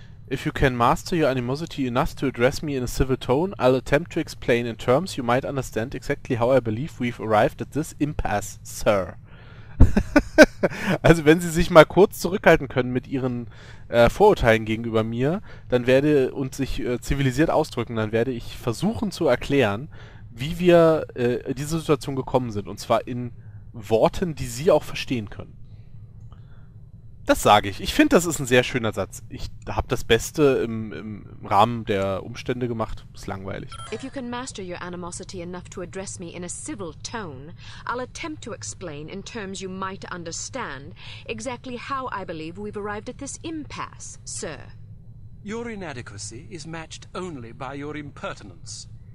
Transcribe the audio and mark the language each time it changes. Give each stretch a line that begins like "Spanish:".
English: If you can master your animosity enough to address me in a civil tone, I'll attempt to explain in terms you might understand exactly how I believe we've arrived at this impasse, sir.
German: Also wenn Sie sich mal kurz zurückhalten können mit Ihren Vorurteilen gegenüber mir, dann werde und sich zivilisiert ausdrücken, dann werde ich versuchen zu erklären, wie wir in diese Situation gekommen sind. Und zwar in Worten, die Sie auch verstehen können. Das sage ich. Ich finde, das ist ein sehr schöner Satz. Ich habe das Beste im Rahmen der Umstände gemacht. Ist langweilig.
English: If you can master your animosity enough to address me in a civil tone, I'll attempt to explain in terms you might understand exactly how I believe we've arrived at this impasse, sir. Your inadequacy is matched only by your impertinence.